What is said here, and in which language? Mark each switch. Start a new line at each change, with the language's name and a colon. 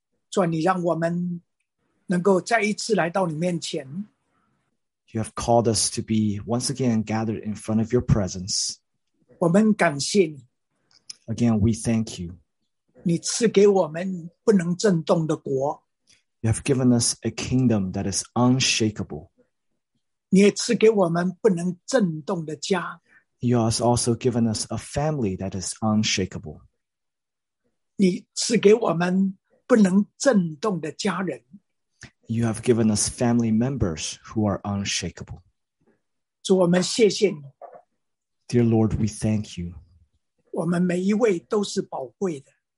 Chinese: 主你让我们能够再一次来到你面前。
English: You have called us to be once again gathered in front of your presence.
Chinese: 我们感谢你。
English: Again, we thank you.
Chinese: 你赐给我们不能震动的国。
English: You have given us a kingdom that is unshakable.
Chinese: 你也赐给我们不能震动的家。
English: You have also given us a family that is unshakable.
Chinese: 你赐给我们不能震动的家人。
English: You have given us family members who are unshakable.
Chinese: 主，我们谢谢你。
English: Dear Lord, we thank you.
Chinese: 我们每一位都是宝贵的。